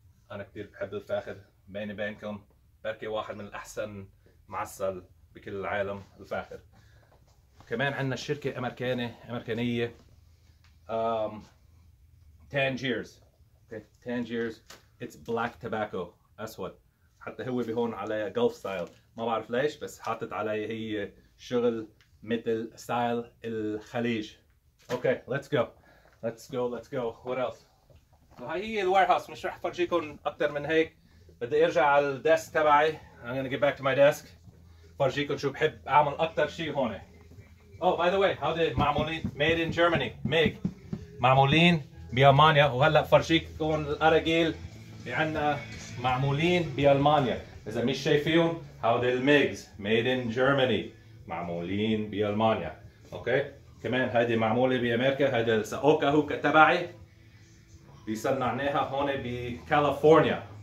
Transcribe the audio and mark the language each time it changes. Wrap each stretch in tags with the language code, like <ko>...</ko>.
<ar>أنا كتير بحب الفاخر. بيني بينكم بركي واحد من الأحسن معسل بكل العالم الفاخر. كمان عندنا شركة أمريكانية تانجيرز. تانجيرز</ar> <en>it's black tobacco</en> <ar>أسود. حتى هو بيهون عليها غولف ستايل ما بعرف ليش بس حاطت عليها هي شغل مثل ستايل الخليج.</ar> <en>Okay let's go let's go let's go what else.</en> <ar>هاي هي الويرهاوس. مش رح فرجيكم اكتر من هيك. بدي ارجع على الديسك تبعي.</ar> <en>I'm gonna get back to my desk.</en> <ar>فرجيكم شو بحب اعمل اكتر شي هوني.</ar> <en>Oh by the way how they</en> <ar>معمولين</ar> <en>made in Germany.</en> <ar>معمولين بألمانيا. وهلا فرجيكم الأراجيل بعنا معمولين بألمانيا. اذا مش شايفين</ar> <en>how they</en> <ar>ميجز</ar> <en>made in Germany</en> <ar>معمولين بألمانيا. اوكي كمان هادي معمولة بأمريكا. هادي الساوكا هوكا تبعي بيصنعناها هون بكاليفورنيا.</ar>